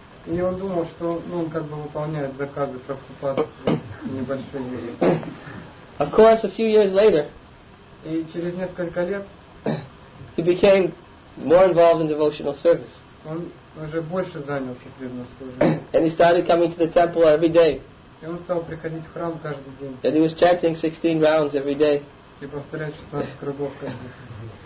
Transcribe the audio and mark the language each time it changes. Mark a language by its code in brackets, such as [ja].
[ru] И он думал, что он как бы выполняет заказы Прабхупады небольшие вещи. [en] Of course, a few years later. [ru] И через несколько лет. [en] He became more involved in devotional service. [ru] Он уже больше занялся преданным служением. [en] And he started coming to the temple every day. [ru] И он стал приходить в храм каждый день. [en] And he was chanting 16 rounds every day. [ru] И повторять 16 кругов каждый день.